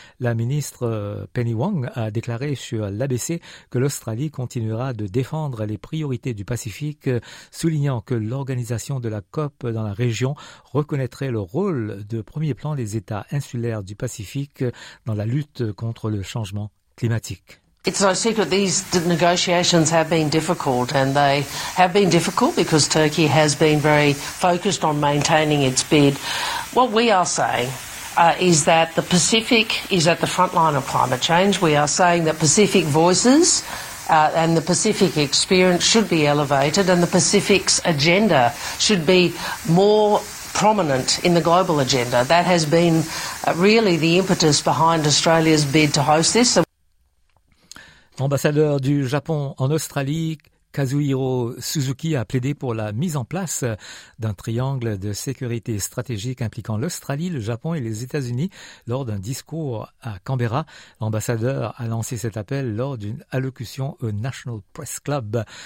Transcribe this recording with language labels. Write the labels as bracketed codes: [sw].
[fr] La ministre Penny Wong a déclaré sur l'ABC que l'Australie continuera de défendre les priorités du Pacifique, soulignant que l'organisation de la COP dans la région reconnaîtrait le rôle de premier plan des États insulaires du Pacifique dans la lutte contre le changement climatique. [en] It's no secret these negotiations have been difficult, and they have been difficult because Turkey has been very focused on maintaining its bid. What we are saying is that the Pacific is at the front line of climate change. We are saying that Pacific voices and the Pacific experience should be elevated, and the Pacific's agenda should be more prominent in the global agenda. That has been really the impetus behind Australia's bid to host this. [fr] Ambassadeur du Japon en Australie, Kazuhiro Suzuki a plaidé pour la mise en place d'un triangle de sécurité stratégique impliquant l'Australie, le Japon et les États-Unis lors d'un discours à Canberra. L'ambassadeur a lancé cet appel lors d'une allocution au National Press Club.